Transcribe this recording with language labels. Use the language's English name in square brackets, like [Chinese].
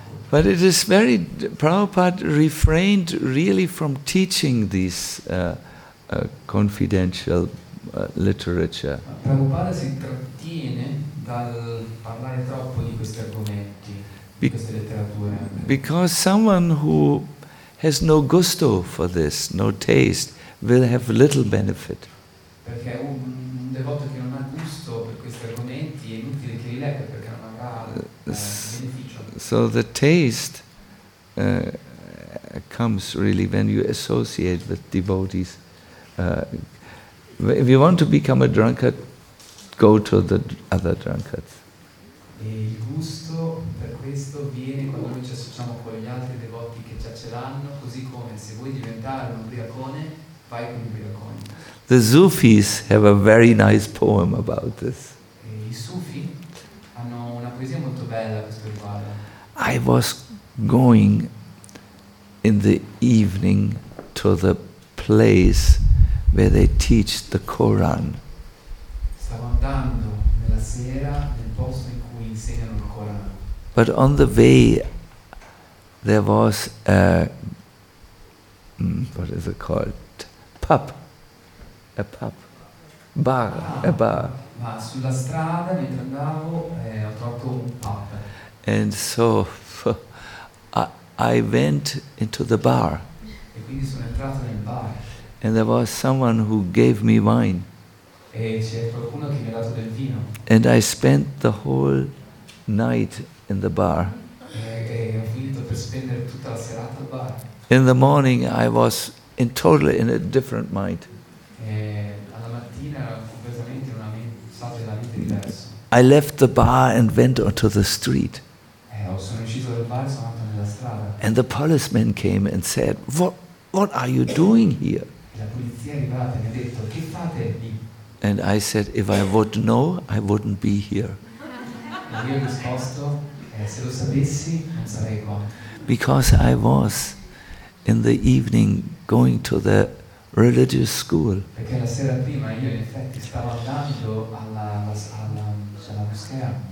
[English] But it is very, Prabhupada refrained really from teaching these confidential literature. [Italian] Prabhupada si trattiene dal parlare troppo di questi argomenti, di queste letterature. [English] Because someone who has no gusto for this, no taste, will have little benefit. [Italian] Perché un devoto che non ha gusto per questi argomenti è inutile che li legga perché non avrà beneficio. [English] So the taste comes really when you associate with devotees. If you want to become a drunkard, go to the other drunkards. [Italian] E il gusto per questo viene quando noi ci associamo con gli altri devoti che già ce l'hanno, così come se vuoi diventare un ubriacone, vai con un ubriacone. [English] The Sufis have a very nice poem about this. [Italian] E i Sufi hanno una poesia molto bella a questo riguardo. [English] I was going in the evening to the place where they teach the Quran. [Italian] Stavo andando nella sera nel posto in cui insegnano il Corano. [English] But on the way there was a what is it called? A bar. [Italian] Ma sulla strada mentre andavo ho trovato un pub. [English] And so I went into the bar. [Italian] E quindi sono entrato nel bar. [English] And there was someone who gave me wine. [Italian] E c'è qualcuno che mi ha dato del vino. [English] And I spent the whole night in the bar. [Italian] E ho finito per spendere tutta la serata al bar. [English] In the morning I was in totally in a different mind. [Italian] E alla mattina ero completamente in una mente diversa. [English] I left the bar and went onto the street. [Italian] Sono uscito dal bar e sono andato nella strada. [English] And the policeman came and said, What are you doing here? [Italian] La polizia è arrivata e mi ha detto, che fate lì? [English] And I said, if I would know, I wouldn't be here. [Italian] E io ho risposto, se lo sapessi, non sarei qua. [English] Because I was in the evening going to the religious school. [Italian] Perché la sera prima io in effetti stavo andando alla moschea.